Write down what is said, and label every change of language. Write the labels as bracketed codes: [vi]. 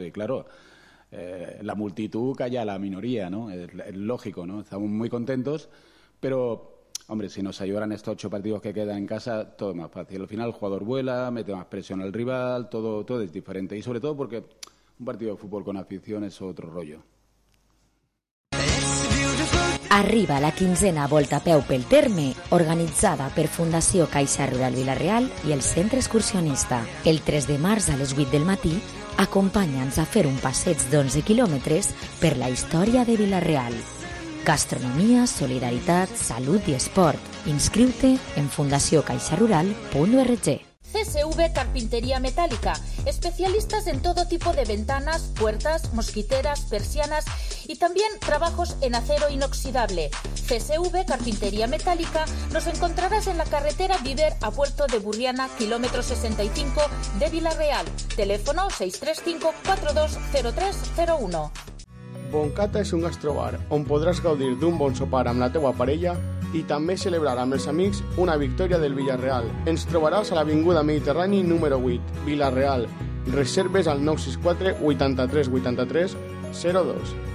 [es] Y claro, la multitud calla a la minoría, ¿no? Es lógico, ¿no? Estamos muy contentos, pero, hombre, si nos ayudan estos 8 partidos que quedan en casa, todo es más fácil. Al final el jugador vuela, mete más presión al rival, todo es diferente. Y sobre todo porque un partido de fútbol con afición es otro rollo. [ca] Arriba la quinzena Volta a Peu pel Terme, organitzada per Fundació Caixa Rural Vila-real i el Centre Excursionista. El 3 de març a les 8 del matí, acompanya'ns a fer un passeig d'11 quilòmetres per la història de Vila-real. Gastronomia, solidaritat, salut i esport. Inscriu-te en fundaciocaixarural.org. [es] CSV Carpintería Metálica, especialistas en todo tipo de ventanas, puertas, mosquiteras, persianas y también trabajos en acero inoxidable. CSV Carpintería Metálica, nos encontrarás en la carretera Viver a Puerto de Burriana, kilómetro 65 de Vila-real. Teléfono 635-420301. [ca] Boncata és un gastrobar on podràs gaudir d'un bon sopar amb la teua parella i també celebrar amb els amics una victòria del Vila-real. Ens trobaràs a l'Avinguda Mediterrani número 8, Vila-real. Reserves al 964-83-83-02.